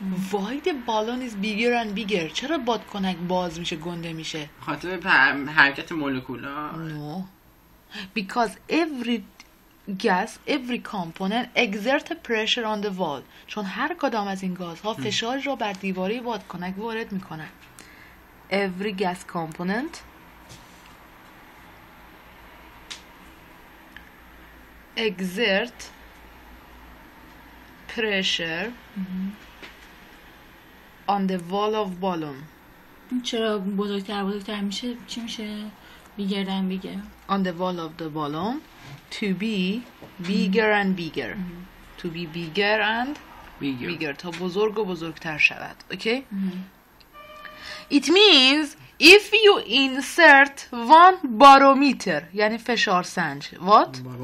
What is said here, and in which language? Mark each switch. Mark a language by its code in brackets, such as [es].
[en] Why'd balloon از bigger and bigger. [fa] چرا بادکنک باز میشه گنده میشه؟ خاطر حرکت مولکول ها. [en] No. Because every gas, every component exert a pressure on the wall. [fa] چون هر کدام از این گازها فشار را بر دیواری بادکنک وارد میکنن. [en] Every gas component exert pressure on the wall of balloon. [fa] چرا بزرگتر بزرگتر میشه؟ چی میشه؟ [en] Bigger and bigger. On the wall of the balloon to be bigger and bigger. To be bigger and bigger. Bigger. [fa] تا بزرگ و بزرگتر شود. [en] Okay? It means if you insert one barometer, [fa] یعنی فشار سنج. [en] What?